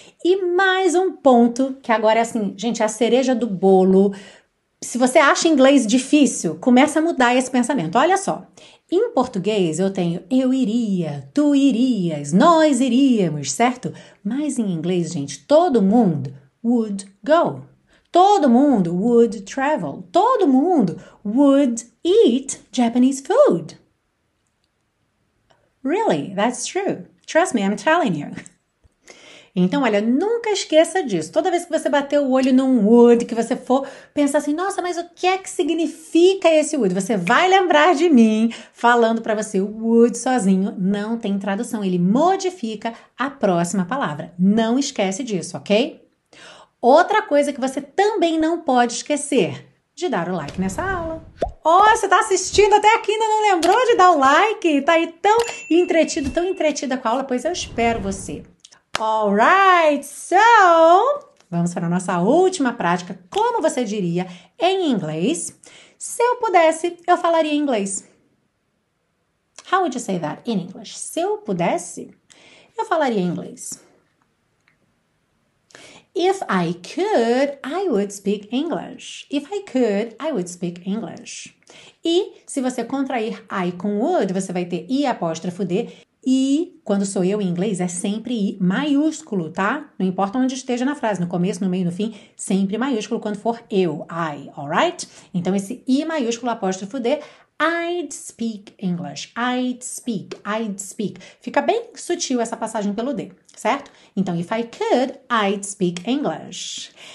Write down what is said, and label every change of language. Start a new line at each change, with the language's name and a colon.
Portuguese: E mais um ponto que agora é assim, gente, é a cereja do bolo. Se você acha inglês difícil, começa a mudar esse pensamento. Olha só. Em português, eu tenho eu iria, tu irias, nós iríamos, certo? Mas em inglês, gente, todo mundo
English: would go.
Portuguese: Todo mundo
English: would travel.
Portuguese: Todo mundo
English: would eat Japanese food. Really, that's true. Trust me, I'm telling you.
Portuguese: Então, olha, nunca esqueça disso. Toda vez que você bater o olho num would, que você for pensar assim, nossa, mas o que é que significa esse would? Você vai lembrar de mim falando pra você, o would sozinho não tem tradução. Ele modifica a próxima palavra. Não esquece disso, ok? Outra coisa que você também não pode esquecer, de dar o like nessa aula. Oh, você tá assistindo até aqui e ainda não lembrou de dar o like? Tá aí tão entretida com a aula? Pois eu espero você.
English: Alright, so,
Portuguese: vamos para a nossa última prática, como você diria em inglês, se eu pudesse, eu falaria inglês.
English: How would you say that in English?
Portuguese: Se eu pudesse, eu falaria inglês.
English: If I could, I would speak English. If I could, I would speak English.
Portuguese: E se você contrair I com would, você vai ter I apóstrofo D. E quando sou eu em inglês, é sempre I maiúsculo, tá? Não importa onde esteja na frase, no começo, no meio, no fim, sempre maiúsculo quando for eu, I, alright? Então, esse I maiúsculo apóstrofo D,
English: I'd speak English, I'd speak.
Portuguese: Fica bem sutil essa passagem pelo D, certo? Então,
English: if I could, I'd speak English.